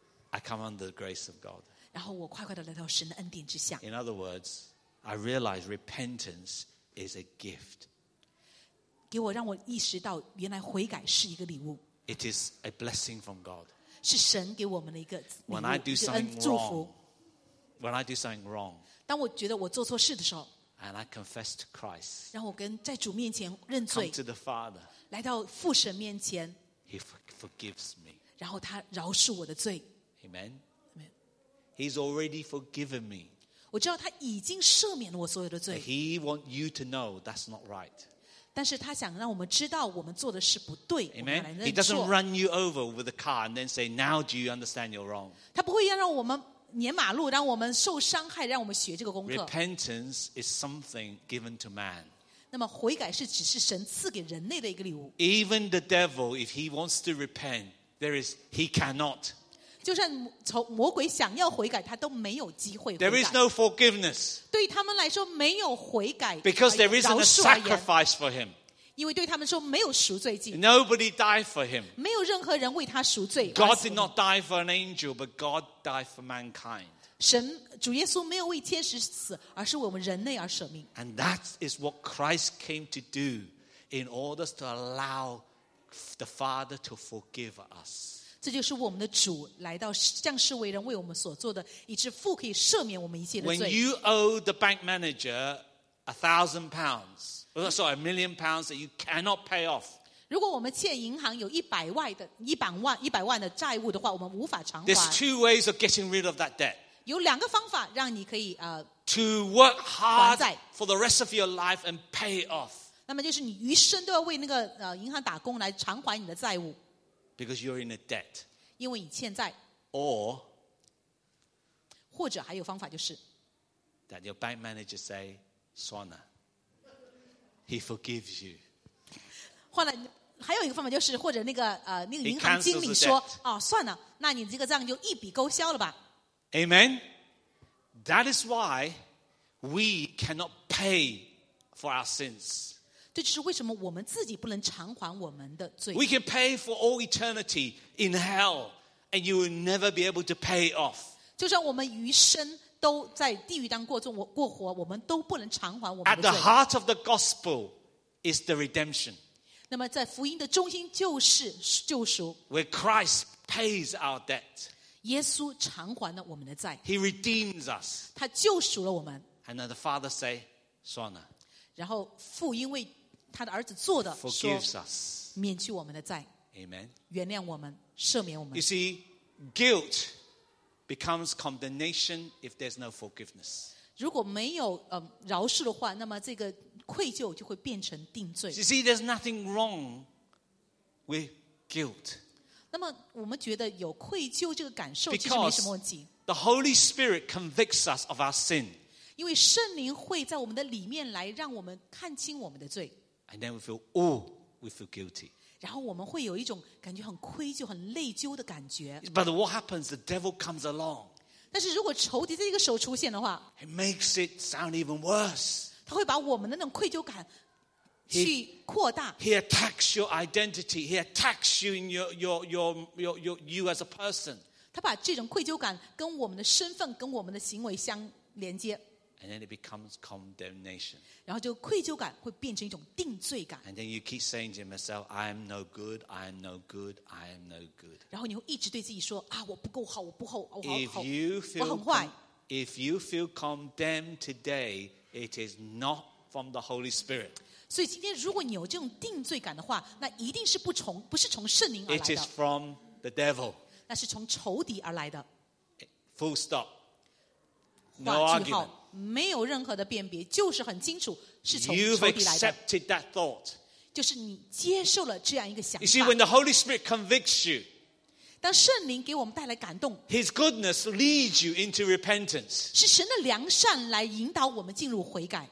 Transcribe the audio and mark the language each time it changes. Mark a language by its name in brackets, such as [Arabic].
[English] ，I come under the grace of God. [Chinese] 然后我快快地来到神的恩典之下。 [English] In other words, I realize repentance is a gift. [Chinese] 给我让我意识到，原来悔改是一个礼物。 [English] It is a blessing from God. [Chinese] 是神给我们的一个礼物。 [English] When I do something wrong, when I do something wrong, [Chinese] 当我觉得我做错事的时候 [English] ，and I confess to Christ, [Chinese] 然后我跟在主面前认罪 [English] ，come to the Father, [Chinese] 来到父神面前 [English] ，He forgives me. [Chinese] 然后他饶恕我的罪。 [English] Amen. He's already forgiven me. [Chinese] 我知道他已经赦免了我所有的罪。 [English] He want you to know that's not right. [Chinese] 但是他想让我们知道我们做的是不对。 [English] Amen. He doesn't run you over with a car and then say, "Now do you understand you're wrong?" [Chinese] 他不会要让我们碾马路，让我们受伤害，让我们学这个功课。 [English] Repentance is something given to man. [Chinese] 那么悔改是只是神赐给人类的一个礼物。 [English] Even the devil, if he wants to repent, he cannot. [Chinese] 就算魔鬼想要悔改，他都没有机会悔改。 [English] There is no forgiveness. [Chinese] 对他们来说，没有悔改。 [English] Because there isn't a sacrifice for him. [Chinese] 因为对他们说，没有赎罪祭。 [English] Nobody died for him. [Chinese] 没有任何人为他赎罪。 [English] God did not die for an angel, but God died for mankind. [Chinese] 神主耶稣没有为天使死，而是为我们人类而舍命。 [English] And that is what Christ came to do, in order to allow the Father to forgive us. [Chinese] 这就是我们的主来到降世为人为我们所做的以致父可以赦免我们一切的罪 [English] When you owe the bank manager £1,000 sorry £1,000,000 that you cannot pay off [Chinese] 如果我们欠银行有一百万的债务的话我们无法偿还 [English] There's two ways of getting rid of that debt [Chinese] 有两个方法让你可以 [English] To work hard for the rest of your life and pay it off [Chinese] 那么就是你余生都要为那个银行打工来偿还你的债务 [English] Because you're in a debt. [Chinese] 因为你欠债 [English] Or, [Chinese] 或者还有方法就是 [English] that your bank manager say, Swana, he forgives you. [Chinese] 换了还有一个方法就是或者那个银行经理说哦算了那你这个账就一笔勾销了吧 [English] Amen. That is why we cannot pay for our sins. [Chinese] 这就是为什么我们自己不能偿还我们的罪。 [English] We can pay for all eternity in hell, and you will never be able to pay it off. [Chinese] 就算我们余生都在地狱当过活，我们都不能偿还我们的罪。 [English] At the heart of the gospel is the redemption. [Chinese] 那么在福音的中心就是救赎。 [English] Where Christ pays our debt. [Chinese] 耶稣偿还了我们的债。 [English] He redeems us. [Chinese] 他救赎了我们。 [English] And then the Father say, [Chinese] 算了。然后父因为他的儿子做的 [English] forgives us [Chinese] 免去我们的债 [English] Amen [Chinese] 原谅我们赦免我们 [English] You see guilt becomes condemnation if there's no forgiveness [Chinese] 如果没有饶恕的话那么这个愧疚就会变成定罪 [English] You see there's nothing wrong with guilt [Chinese] 那么我们觉得有愧疚这个感受其实没什么问题 [English] Because the Holy Spirit convicts us of our sin [Chinese] 因为圣灵会在我们的里面来让我们看清我们的罪 [English] And then we feel, oh, we feel guilty. [Chinese] 然后我们会有一种感觉很愧疚很内疚的感觉 [English] But what happens, the devil comes along [Chinese] 但是如果仇敌在这个时候出现的话 [English] It makes it sound even worse [Chinese] 他会把我们的那种愧疚感去扩大。 [English] He attacks your identity. He attacks you in you as a person. [Chinese] 他把这种愧疚感跟我们的身份、跟我们的行为相连接。 [English] And then it becomes condemnation. [Chinese] 然后就愧疚感会变成一种定罪感。 [English] And then you keep saying to yourself, "I am no good. I am no good. I am no good." [Chinese] 然后你会一直对自己说啊，我不够好，我不好，我好好。 [English] If you feel [Chinese] 我很坏。 [English] If you feel condemned today, it is not from the Holy Spirit. [Chinese] 所以今天如果你有这种定罪感的话，那一定是不是从圣灵而来的。 [English] It is from the devil. [Chinese] 那是从仇敌而来的。 [English] Full stop. No argument. [Chinese] 没有任何的辨别，就是很清楚是从仇敌来的。 [English] You've accepted that thought. [Chinese] 就是你接受了这样一个想法。 [English] You see, when the Holy Spirit convicts you, [Chinese] 当圣灵给我们带来感动， [English] His goodness leads you into repentance. [Chinese] 是神的良善来引导我们进入悔改。